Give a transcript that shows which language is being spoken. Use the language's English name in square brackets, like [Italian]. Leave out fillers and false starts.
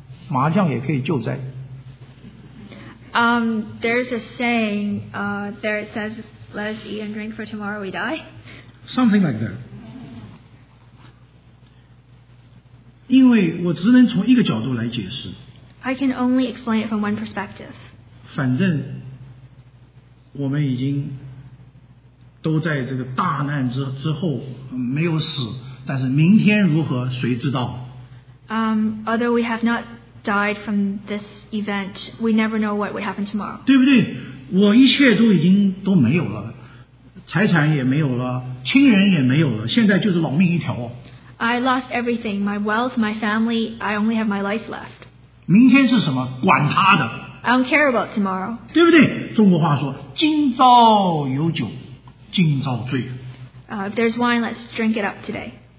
[Chinese] 他说我们成都人有一个俗语叫做吃喝救灾，麻将也可以救灾。 [English] There's a saying there it says, let us eat and drink for tomorrow we die. Something like that. [Chinese] 因为我只能从一个角度来解释。 [English] I can only explain it from one perspective. [Chinese] 反正 我们已经都在这个大难之后没有死，但是明天如何，谁知道？ [English] Although we have not died from this event, we never know what would happen tomorrow. [Chinese] 对不对？我一切都已经都没有了，财产也没有了，亲人也没有了，现在就是老命一条。 [English] I lost everything, my wealth, my family, I only have my life left. [Chinese] 明天是什么？管他的。 [English] I don't care about tomorrow. [Chinese] 对不对? 中国话说, 今朝有酒, 今朝醉。 [English] If there's wine, let's drink it up today.